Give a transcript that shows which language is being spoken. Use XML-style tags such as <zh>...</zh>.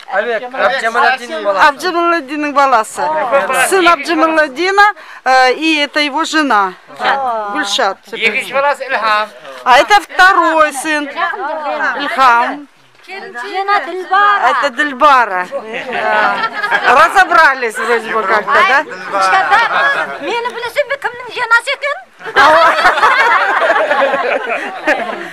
<kk>Абек, Абджамаладдиннің баласы. Абджамаладдиннің баласы.</kk> <ru>Сын Абджамаладдина, и это его жена.</ru> <kk>Гүлшат. Екінші баласы Ильхам.</kk> <ru>А это второй сын. Ильхам. Жена Дильбара. Это Дильбара. Разобрались вроде бы как-то, да?</ru> <kk>Мені білесің бе кімнің женасы екен?</kk>